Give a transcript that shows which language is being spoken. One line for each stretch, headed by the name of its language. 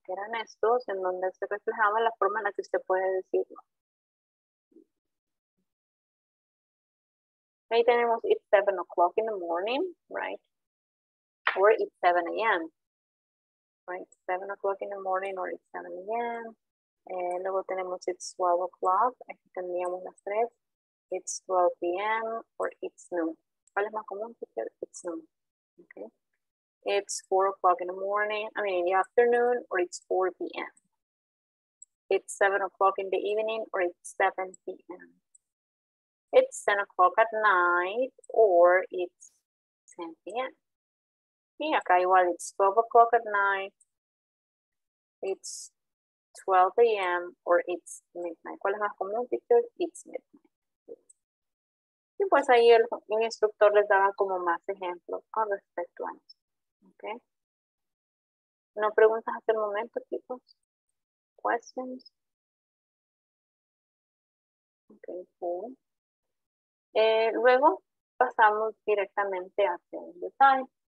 Spanish: Que eran estos, en donde se reflejaba la forma en la que usted puede decirlo. Ahí tenemos,
English: it's 7 o'clock in the morning, right? Or it's 7 a.m., right? 7 o'clock in the morning or it's 7 a.m.
Spanish: Luego tenemos,
English: it's 12 o'clock.
Spanish: Aquí tendríamos las 3.
English: It's 12 p.m. or it's noon.
Spanish: ¿Cuál es más común?
English: It's noon. Okay. It's 4 o'clock in the morning, I mean in the afternoon, or it's 4 p.m. It's 7 o'clock in the evening, or it's 7 p.m. It's 10 o'clock at night, or it's 10 p.m.
Spanish: Y acá igual,
English: it's 12 o'clock at night, it's 12 a.m., or it's midnight.
Spanish: ¿Cuál es más común, teacher?
English: It's midnight.
Spanish: Y pues ahí el instructor les daba como más ejemplos con respecto a eso. Okay. ¿No preguntas hasta el momento, chicos? ¿Questions? Ok, cool. Luego pasamos directamente a telling the time.